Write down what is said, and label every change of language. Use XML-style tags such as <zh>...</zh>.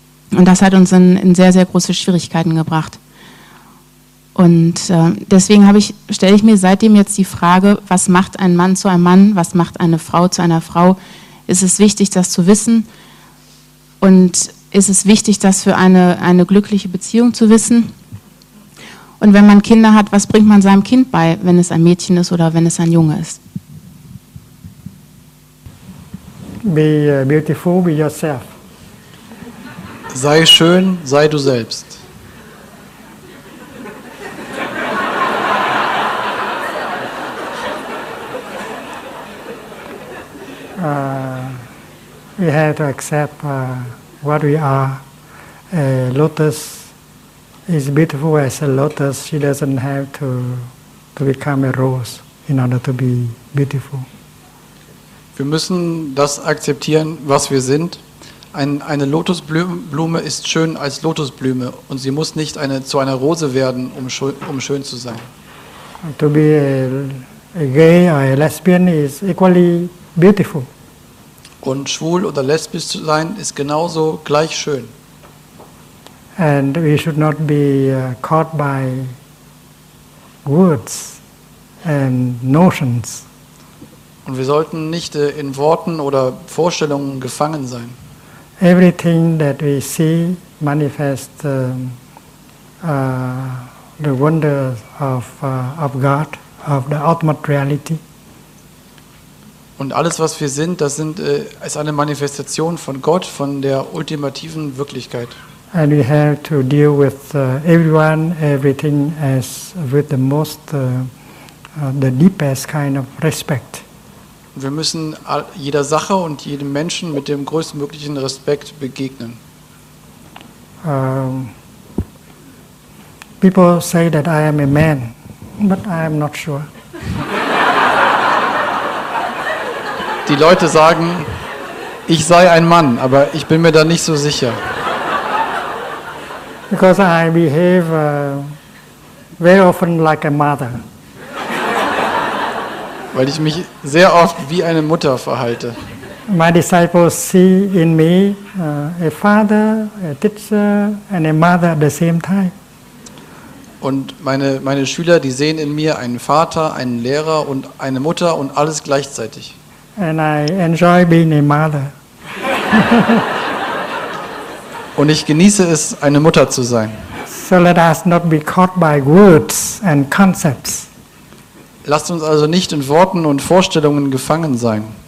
<de>Und das hat uns in sehr, sehr große Schwierigkeiten gebracht. Und deswegen stelle ich mir seitdem jetzt die Frage, was macht ein Mann zu einem Mann, was macht eine Frau zu einer Frau? Ist es wichtig, das zu wissen? Und ist es wichtig, das für eine glückliche Beziehung zu wissen? Und wenn man Kinder hat, was bringt man seinem Kind bei, wenn es ein Mädchen ist oder wenn es ein Junge ist?</de> <en>Be beautiful, be yourself.</en> <de>Sei schön, sei du selbst.</de> <en>We have to accept what we are. Lotus is beautiful as a lotus. She doesn't have to become a rose in order to be beautiful.</en> <de>Wir müssen das akzeptieren, was wir sind. Eine Lotusblume ist schön als Lotusblume, und sie muss nicht zu einer Rose werden, um schön zu sein.</de> <en>To be a gay or a lesbian is equally beautiful.</en> <de>Und schwul oder lesbisch zu sein ist genauso gleich schön.</de> <en>And we should not be caught by words and notions.</en> <de>Und wir sollten nicht in Worten oder Vorstellungen gefangen sein.</de> <en>Everything that we see manifests the wonder of God, of the ultimate reality.</en> <de>Und alles, was wir sind, das sind ist eine Manifestation von Gott, von der ultimativen Wirklichkeit.</de> <en>And we have to deal with everyone, everything as with the most the deepest kind of respect.</en> <de>Wir müssen jeder Sache und jedem Menschen mit dem größtmöglichen Respekt begegnen.</de> <en>People say that I am a man, but I am not sure.</en> <de>Die Leute sagen, ich sei ein Mann, aber ich bin mir da nicht so sicher.</de> <en>Because I behave very often like a mother.</en> <de>Weil ich mich sehr oft wie eine Mutter verhalte.</de> <en>My disciples see in me a father, a teacher and a mother at the same time.</en> <de>Und meine Schüler, die sehen in mir einen Vater, einen Lehrer und eine Mutter und alles gleichzeitig.</de> <en>And I enjoy being a mother.</en> <de>Und ich genieße es, eine Mutter zu sein.</de> <en>So let us not be caught by words and concepts.</en> <de>Lasst uns also nicht in Worten und Vorstellungen gefangen sein.</de>